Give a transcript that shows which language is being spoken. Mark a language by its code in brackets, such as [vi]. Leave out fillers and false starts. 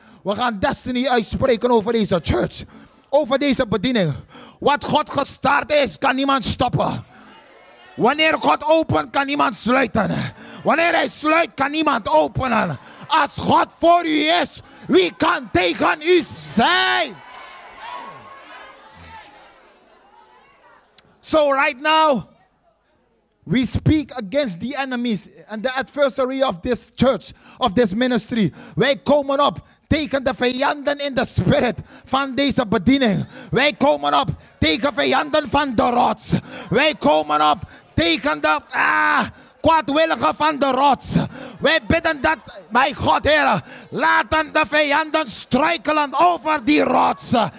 [nl] We gaan destiny uitspreken over deze church. Over deze bediening. Wat God gestart is, kan niemand stoppen. Wanneer God opent, kan niemand sluiten. Wanneer hij sluit, kan niemand openen. Als God voor u is, wie kan tegen u zijn? [en] So right now, we speak against the enemies and the adversary of this church, of this ministry. [nl] Wij komen op tegen de vijanden in de spirit van deze bediening. Wij komen op tegen vijanden van de rots. Wij komen op tegen de kwaadwilligen van de rots. Wij bidden dat, mijn God, Heer, laten de vijanden struikelen over die rots.